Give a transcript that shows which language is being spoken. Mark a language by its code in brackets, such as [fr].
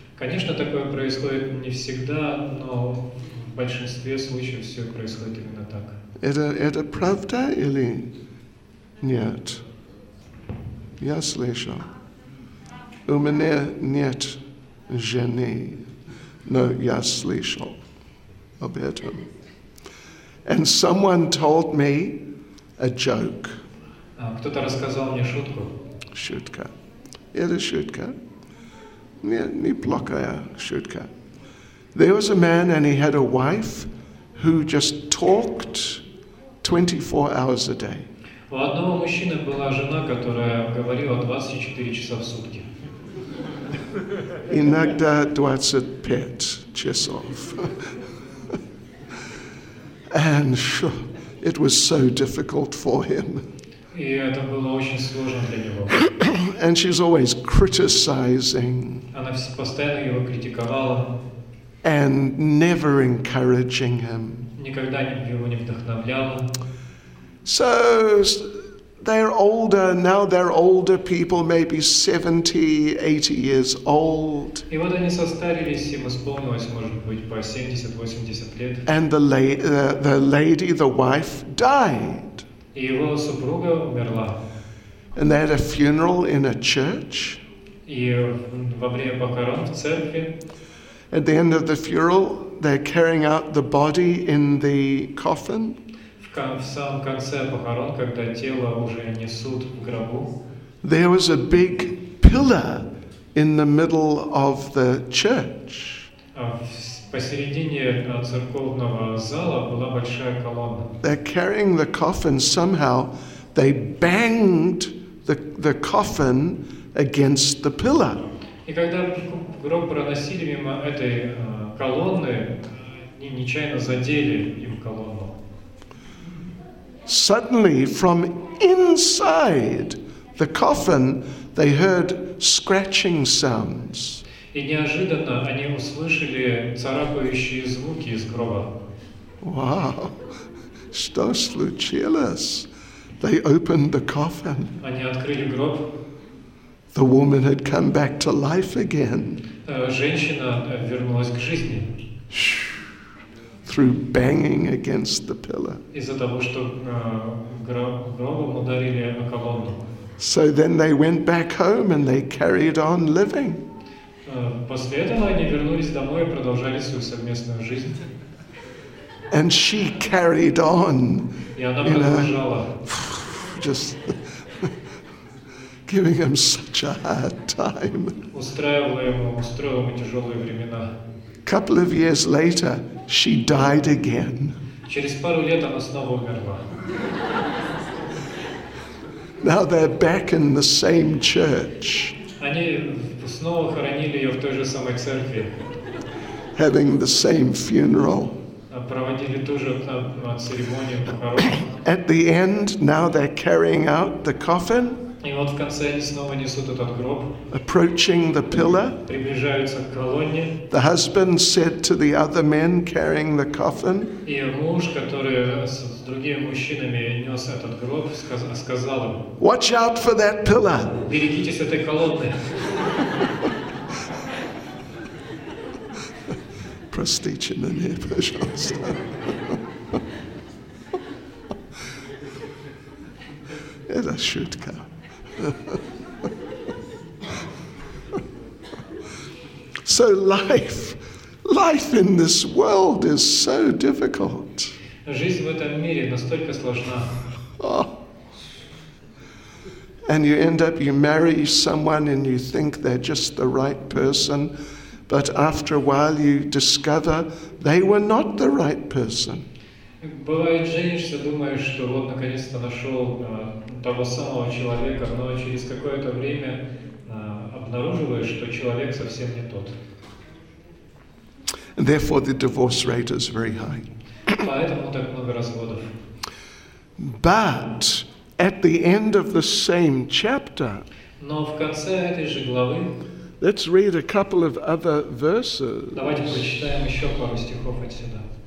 [ru] Конечно, такое происходит не всегда, но в большинстве случаев все происходит именно так. Это правда или нет? Я слышал. У меня нет жены. Но я слышал об этом. [en] And someone told me a joke. [ru] Кто-то рассказал мне шутку. Шутка. Это шутка. Нет, неплохая шутка. [en] There was a man and he had a wife who just talked 24 hours a day. [ru] У одного мужчины была жена, которая говорила 24 часа в сутки. Иногда 25 часов. [en] And sure, it was so difficult for him. [ru] И это было очень сложно для него. [en] And she's always criticizing. [ru] Она постоянно его критиковала. [en] And never encouraging him. [ru] Никогда его не вдохновляла. [en] So they're older, now they're older people, maybe 70, 80 years old. [ru] И вот они состарились, им исполнилось, может быть, по 70-80 лет. [en] And the lady, the wife, died. [ru] И его супруга умерла. [en] And they had a funeral in a church. [ru] И во время похорон в церкви. [en] At the end of the funeral, they're carrying out the body in the coffin. [ru] В самом конце похорон, когда тело уже несут в гробу. [en] There was a big pillar in the middle of the church. [ru] Посередине церковного зала была большая колонна. [en] They're carrying the coffin. Somehow they banged the coffin against the pillar. [ru] И когда гроб проносили мимо этой колонны, они нечаянно задели им колонну. [en] Suddenly, from inside the coffin, they heard scratching sounds. [ru] И неожиданно они услышали царапающие звуки из гроба. Wow! Что случилось? [en] They opened the coffin. [ru] Они открыли гроб. [en] The woman had come back to life again. [ru] Женщина вернулась к жизни. [en] Through banging against the pillar. [ru] Из-за того, что гробом ударили о колонну. [en] So then they went back home and they carried on living. [ru] После этого они вернулись домой и продолжали свою совместную жизнь. [en] And she carried on. [ru] И она продолжала. [en] Just giving him such a hard time. [ru] Устроила ему тяжелые времена. [en] Couple of years later, she died again. [ru] Через пару лет она снова умерла. [en] Now they're back in the same church. [ru] Они снова хоронили ее в той же самой церкви. [en] Having the same funeral. [ru] проводили тоже церемонию похорон. [en] At the end, now they're carrying out the coffin. [ru] И вот в конце они снова несут этот гроб. [en] Approaching the pillar. [ru] Приближаются к колонне. [en] The husband said to the other men carrying the coffin. [ru] И муж, который с другими мужчинами нес этот гроб, сказал им. [en] Watch out for that pillar. [ru] Берегитесь этой колонны. [en] Prestige in the near personal stuff. [ru] Это шутка. [en] So life in this world is so difficult. [ru] Жизнь в этом мире настолько сложна. [en] And you end up, you marry someone and you think they're just the right person, but after a while you discover they were not the right person. [ru] Бывает, женишься, думаешь, что вот наконец-то нашел того самого человека, но через какое-то время обнаруживаешь, что человек совсем не тот. [en] Therefore, the divorce rate is very high. [ru] Поэтому так много разводов. [en] But at the end of the same chapter, [ru] но в конце этой же главы, [en] let's read a couple of other verses. [ru] Давайте прочитаем еще пару стихов отсюда.